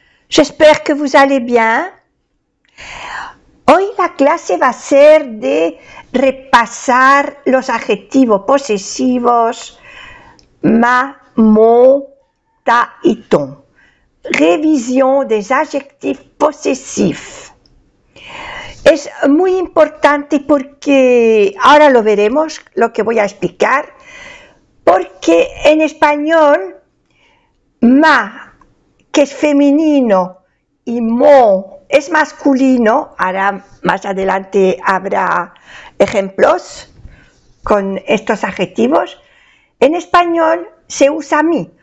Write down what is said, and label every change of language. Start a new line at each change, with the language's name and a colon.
French: J'espère que vous allez bien.
Spanish: Hoy la clase va a ser de repasar los adjetivos posesivos ma, mon, ta y ton.
French: Revisión des adjectifs possessifs.
Spanish: Es muy importante porque, ahora lo veremos, lo que voy a explicar, porque en español, ma, que es femenino, y mon, es masculino, ahora más adelante habrá ejemplos con estos adjetivos, en español se usa mi.